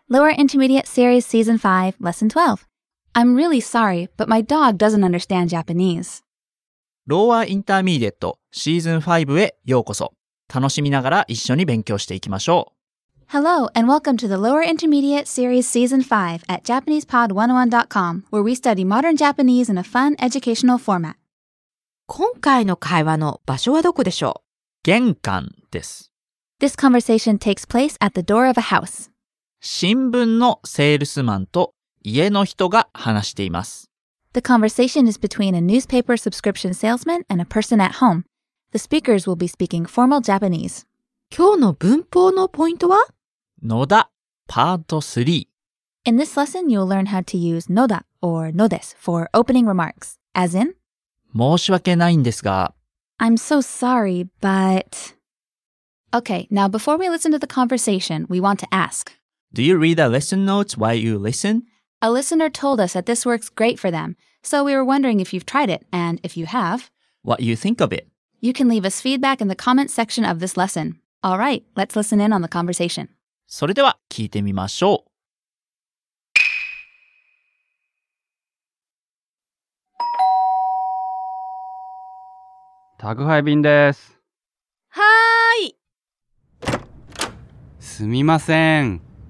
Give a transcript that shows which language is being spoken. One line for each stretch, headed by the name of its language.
English: Lower Intermediate Series Season 5 Lesson 12. I'm really sorry, but my dog doesn't understand Japanese. Lower Intermediate Season 5
Japanese: へようこそ。楽しみながら一緒に勉強していきましょう。
English: Hello, and welcome to the Lower Intermediate Series Season 5 at JapanesePod101.com, where we study modern Japanese in a fun, educational format.
Japanese: 今回の会話の場所はどこでしょう？玄関です。
English: This conversation takes place at the door of a house.
Japanese: 新聞のセールスマンと家の人が話しています。
English: The conversation is between a newspaper subscription salesman and a person at home. The speakers will be speaking formal Japanese.
Japanese: 今日の文法のポイントは？のだ、パート3。
English: In this lesson, you'll learn how to use のだ or のです for opening remarks, as in
Japanese: 申し訳ないんですが。
English: I'm so sorry, but... Okay, now before we listen to the conversation, we want to ask. Do you read the lesson notes while you listen? A listener told us that this works great for them, so we were wondering if you've tried it, and if you have, what you think of it. You can leave us feedback in the comments section of this lesson. All right, let's listen in on the conversation.
Japanese: それでは聞いてみましょう。宅配便です。はーい。すみません。